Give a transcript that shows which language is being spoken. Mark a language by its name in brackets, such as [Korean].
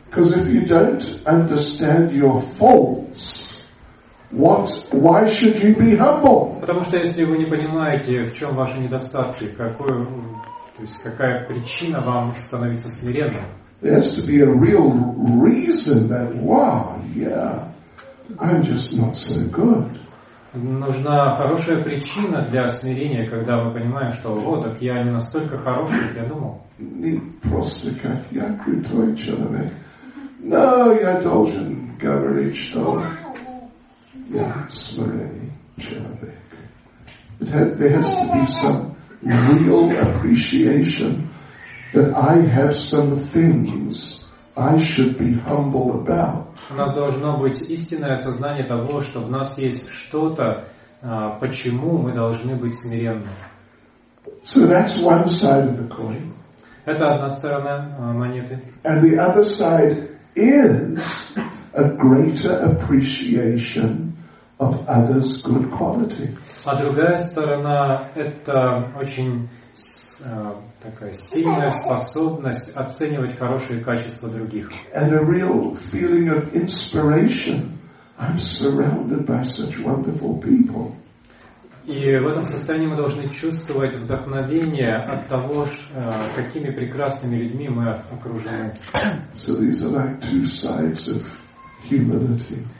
[English] Because if you don't understand your faults, what? Why should you be humble? [Russian] Потому что если вы не понимаете, в чем ваши недостатки, какой то есть какая причина вам становиться смиренным? [English] There has to be a real reason that, wow, yeah, I'm just not so good. [Russian] Нужна хорошая причина для смирения, когда мы понимаем, что вот так я не настолько хороший, как я думал. Не просто как я крутой человек. No, я должен говорить, что я смиренный человек. [English] There has to be some real appreciation that I have some things I should be humble about. [Russian] У нас должно быть истинное осознание того, что в нас есть что-то, почему мы должны быть смиренны. [English] So that's one side of the coin. [Russian] Это одна сторона монеты. [English] And the other side is a greater appreciation of others' good quality. [Russian] А другая сторона это очень такая сильная способность оценивать хорошие качества других. [English] And a real feeling of inspiration. I'm surrounded by such wonderful people. [Russian] И в этом состоянии мы должны чувствовать вдохновение от того, какими прекрасными людьми мы окружены. [English] So these are like two sides of humility.